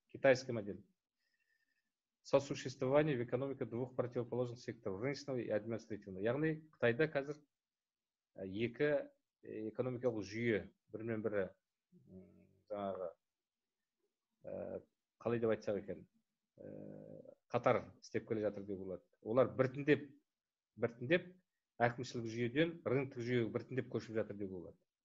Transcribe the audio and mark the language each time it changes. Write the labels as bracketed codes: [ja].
[ru] Китайский модель. Сосуществование в экономике двух противоположных секторов, рыночного и административного. [kk] Яғни, Қытайда қазір екі экономикалық жүйе, бірмен бірі жаңағы, қалай деп айтсақ екен, қатар істеп келе жатыр деп болады. Олар біртіндеп әкімшілік жүйеден рыноктік жүйеге біртіндеп көшіп жатыр деп болады.